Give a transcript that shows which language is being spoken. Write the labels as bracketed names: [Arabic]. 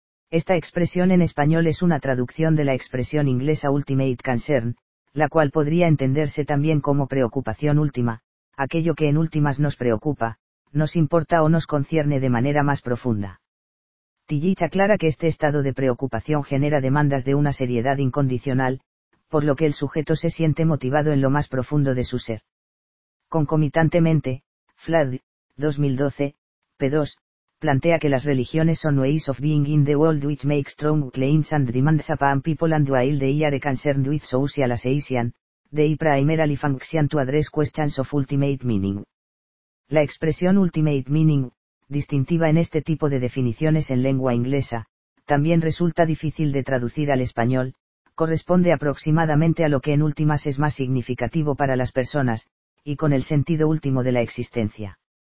[Spanish] Esta expresión en español es una traducción de la expresión inglesa ultimate concern, la cual podría entenderse también como preocupación última, aquello que en últimas nos preocupa, nos importa o nos concierne de manera más profunda. Tillich aclara que este estado de preocupación genera demandas de una seriedad incondicional, por lo que el sujeto se siente motivado en lo más profundo de su ser. Concomitantemente, Flood, 2012, p. 2, plantea que las religiones son [English] ways of being in the world which make strong claims and demands upon people and while they are concerned with social association, they primarily function to address questions of ultimate meaning. [Spanish] La expresión ultimate meaning, distintiva en este tipo de definiciones en lengua inglesa, también resulta difícil de traducir al español, corresponde aproximadamente a lo que en últimas es más significativo para las personas, y con el sentido último de la existencia.